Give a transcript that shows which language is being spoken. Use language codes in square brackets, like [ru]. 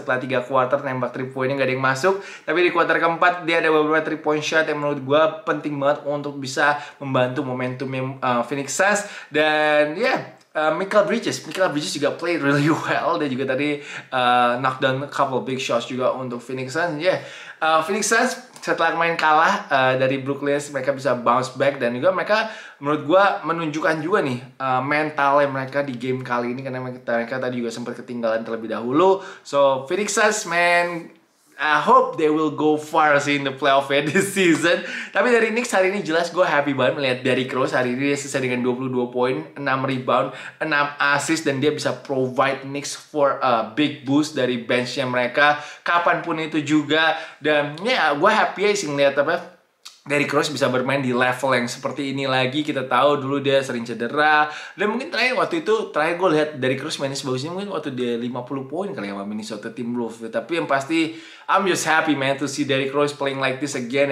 [id] Setelah 3 quarter nembak 3 poinnya gak ada yang masuk. Tapi di quarter keempat dia ada beberapa 3 point shot yang menurut gue penting banget untuk bisa membantu momentumnya Phoenix Suns. Dan ya, [en] yeah, Mikal Bridges juga played really well. [id] Dia juga tadi [en] knock down a couple big shots [id] juga untuk [en] Phoenix Suns. [id] Yeah, Phoenix Suns setelah main kalah dari Brooklyn, mereka bisa [en] bounce back. [id] Dan juga mereka menurut gue menunjukkan juga nih mentalnya mereka di game kali ini. Karena mereka tadi juga sempat ketinggalan terlebih dahulu. [en] So Phoenix Suns, man, I hope they will go far in the playoff ya this season. [id] Tapi dari Knicks hari ini jelas gue happy banget melihat Derrick Rose. Hari ini dia selesai dengan 22 poin, 6 rebound, 6 assist. Dan dia bisa [en] provide Knicks for a big boost [id] dari benchnya mereka kapanpun itu juga. Dan ya, yeah, gue happy sih ngeliat apa Derrick Rose bisa bermain di level yang seperti ini lagi. Kita tahu dulu dia sering cedera. Dan mungkin terakhir waktu itu, terakhir gue lihat Derrick Rose mainnya sebagus ini mungkin waktu dia 50 poin kali ya sama Minnesota Timberwolves. Tapi yang pasti, [en] I'm just happy man to see Derrick Rose playing like this again.